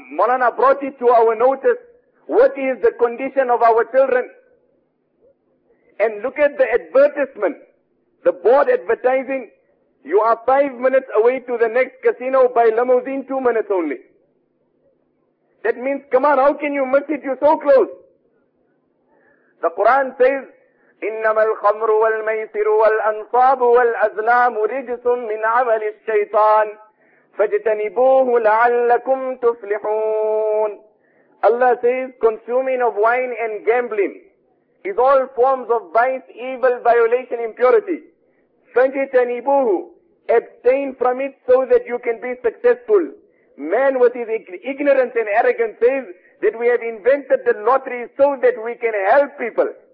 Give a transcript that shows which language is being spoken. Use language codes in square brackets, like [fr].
[en] Maulana brought it to our notice. What is the condition of our children? And look at the advertisement, the board advertising. You are 5 minutes away to the next casino by limousine, 2 minutes only. That means, come on, how can you miss it? You're so close. The Quran says, [ar] إِنَّمَا الْخَمْرُ وَالْمَيْسِرُ وَالْأَنْصَابُ وَالْأَزْلَامُ رِجْسٌ مِنْ عَمَلِ الشَّيْطَانِ فَاجْتَنِبُوهُ لَعَلَّكُمْ تُفْلِحُونَ. [en] Allah says, consuming of wine and gambling is all forms of vice, evil, violation, impurity. فَاجْتَنِبُوهُ, abstain from it so that you can be successful. Man with his ignorance and arrogance says that we have invented the lottery so that we can help people.